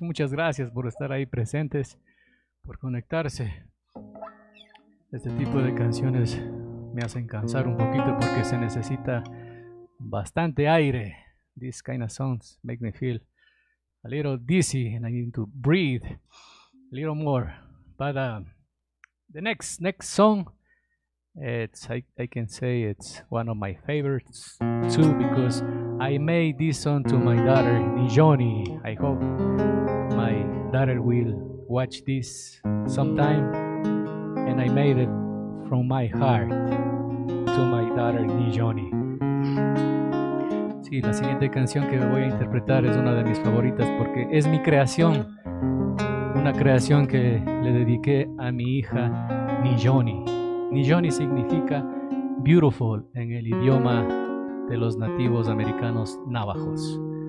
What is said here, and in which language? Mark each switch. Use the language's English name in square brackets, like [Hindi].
[Spanish] Muchas gracias por estar ahí presentes, por conectarse. Este tipo de canciones me hacen cansar un poquito porque se necesita bastante aire. [English] These kind of songs make me feel a little dizzy and I need to breathe a little more. But the next song, it's I can say it's one of my favorites too, because I made this song to my daughter Nijoni. I hope my daughter will watch this sometime, and I made it from my heart to my daughter Nijoni. [Spanish] Sí, la siguiente canción que voy a interpretar es una de mis favoritas porque es mi creación, una creación que le dediqué a mi hija Nijoni. Nijoni significa beautiful en el idioma de los nativos americanos navajos.